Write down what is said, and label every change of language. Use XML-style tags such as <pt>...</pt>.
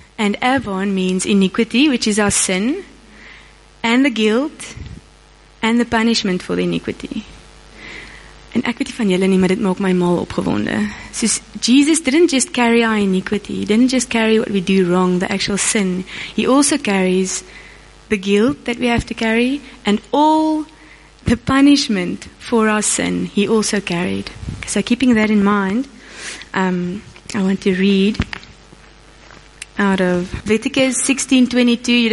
<en>And avon means iniquity, which is our sin, and the guilt, and the punishment for the iniquity.</en> <af>En ek weet nie van julle nie, maar dit maak my mal opgewonde.</af> <en>So Jesus didn't just carry our iniquity. He didn't just carry what we do wrong, the actual sin. He also carries the guilt that we have to carry and all the punishment for our sin he also carried. So keeping that in mind, I want to read out of Leviticus 16:22.</en>